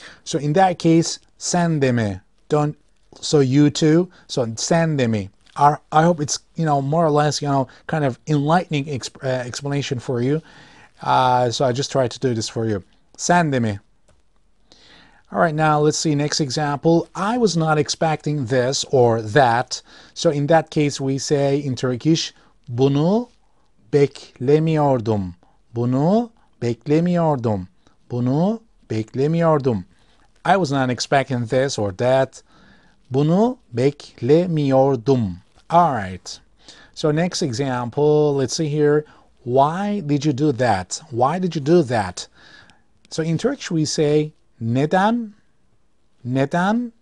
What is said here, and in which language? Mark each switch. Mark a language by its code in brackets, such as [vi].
[en] So in that case, [tr] sen de mi? [en] Don't, so you too, so sen de mi? I hope it's, more or less, kind of enlightening explanation for you. So I just tried to do this for you. [tr] Sen de mi? [en] All right, now let's see next example. I was not expecting this or that. So in that case, we say in Turkish, [tr] bunu beklemiyordum. Bunu beklemiyordum. Bunu beklemiyordum. [en] I was not expecting this or that. [tr] Bunu beklemiyordum. [en] All right. So next example, let's see here. Why did you do that? Why did you do that? So in Turkish we say [tr] neden, neden,